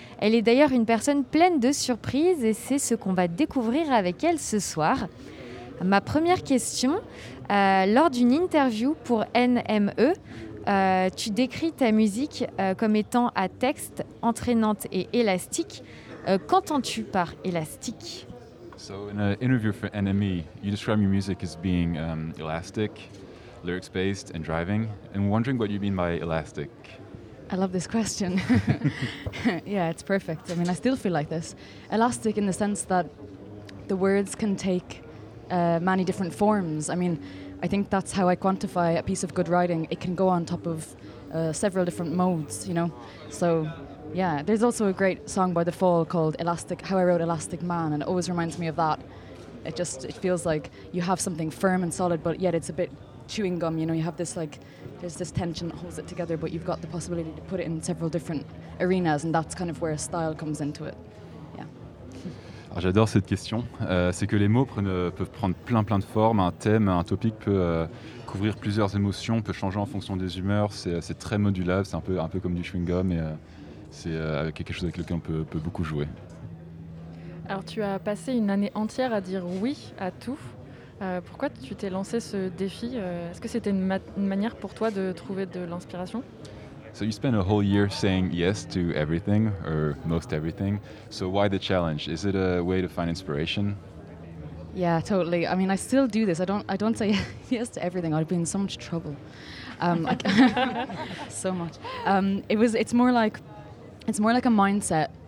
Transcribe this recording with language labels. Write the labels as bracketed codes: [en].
[fr] Elle est d'ailleurs une personne pleine de surprises et c'est ce qu'on va découvrir avec elle ce soir. Ma première question, lors d'une interview pour NME, tu décris ta musique comme étant à texte, entraînante et élastique. Qu'entends-tu par élastique ? [en] So in an interview for NME, you describe your music as being elastic, lyrics-based and driving. And wondering what you mean by elastic. I love this question. Yeah, it's perfect. I mean, I still feel like this. Elastic in the sense that the words can take many different forms. I mean, I think that's how I quantify a piece of good writing. It can go on top of several different modes, you know? So, yeah, there's also a great song by The Fall called Elastic, How I Wrote Elastic Man, and it always reminds me of that. It feels like you have something firm and solid, but yet it's a bit chewing gum, you know? You have this, like, there's this tension that holds it together, but you've got the possibility to put it in several different arenas, and that's kind of where style comes into it. [fr] Alors j'adore cette question, c'est que les mots peuvent prendre plein de formes, un thème, un topic peut couvrir plusieurs émotions, peut changer en fonction des humeurs, c'est très modulable, c'est un peu comme du chewing-gum et c'est quelque chose avec lequel on peut beaucoup jouer. Alors tu as passé une année entière à dire oui à tout, pourquoi tu t'es lancé ce défi ? Est-ce que c'était une manière pour toi de trouver de l'inspiration ? [en] So you spend a whole year saying yes to everything, or most everything. So why the challenge? Is it a way to find inspiration? Yeah, totally. I mean, I still do this. I don't say yes to everything. I'd be in so much trouble. so much. It's more like a mindset.